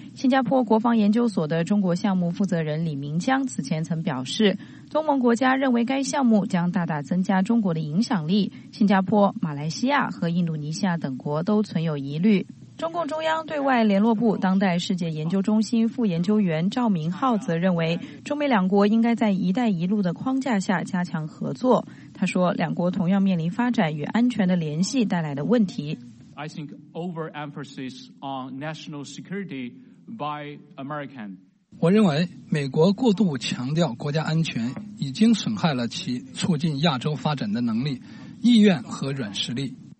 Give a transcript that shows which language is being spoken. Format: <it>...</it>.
<zh>新加坡国防研究所的中国项目负责人李明江此前曾表示，东盟国家认为该项目将大大增加中国的影响力，新加坡、马来西亚和印度尼西亚等国都存有疑虑。中共中央对外联络部当代世界研究中心副研究员赵明浩则认为，中美两国应该在一带一路的框架下加强合作。他说，两国同样面临发展与安全的联系带来的问题。</zh> <en>I think overemphasis on national security by American.</en> <zh>我认为美国过度强调国家安全已经损害了其促进亚洲发展的能力、意愿和软实力。</zh>